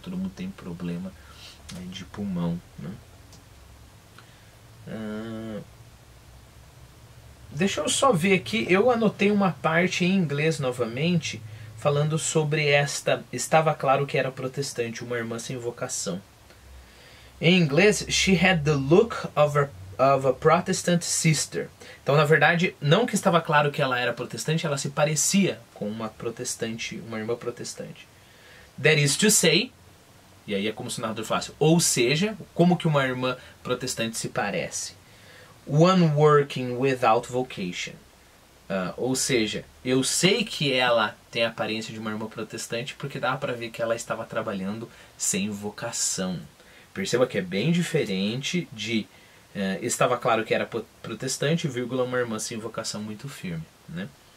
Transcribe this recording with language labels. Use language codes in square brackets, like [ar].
[pt] Todo mundo tem problema, né, de pulmão, né? Deixa eu só ver aqui, eu anotei uma parte em inglês novamente, falando sobre esta. Estava claro que era protestante, uma irmã sem vocação. Em inglês, [en] she had the look of a Protestant sister. [pt] Então, na verdade, não que estava claro que ela era protestante, ela se parecia com uma protestante, uma irmã protestante. [en] That is to say. [pt] E aí é como se o narrador falasse, ou seja, como que uma irmã protestante se parece? [en] One working without vocation. [pt] Ou seja, eu sei que ela tem a aparência de uma irmã protestante porque dá para ver que ela estava trabalhando sem vocação. Perceba que é bem diferente de estava claro que era protestante, vírgula, uma irmã sem vocação muito firme, né?